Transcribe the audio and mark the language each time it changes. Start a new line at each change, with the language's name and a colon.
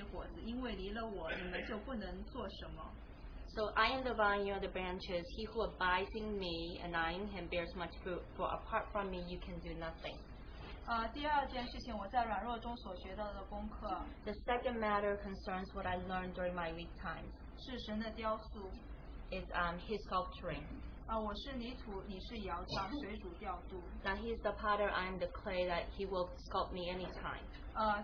Chinese: 我是葡萄树，你们是枝子，常在我里面的，我也常在他里面。这人就多结果子，因为离了我，你们就不能做什么。
English: So I am the vine, you are the branches. He who abides in me and I in him bears much fruit. For apart from me, you can do nothing.
Chinese: 第二件事情我在软弱中所学到的功课,
English: the second matter concerns what I learned during my weak times.
Chinese: 是神的雕塑,
English: is his sculpturing.
Chinese: 我是泥土，你是窑匠， 随主调度。
English: That he is the potter, I am the clay, that he will sculpt me anytime.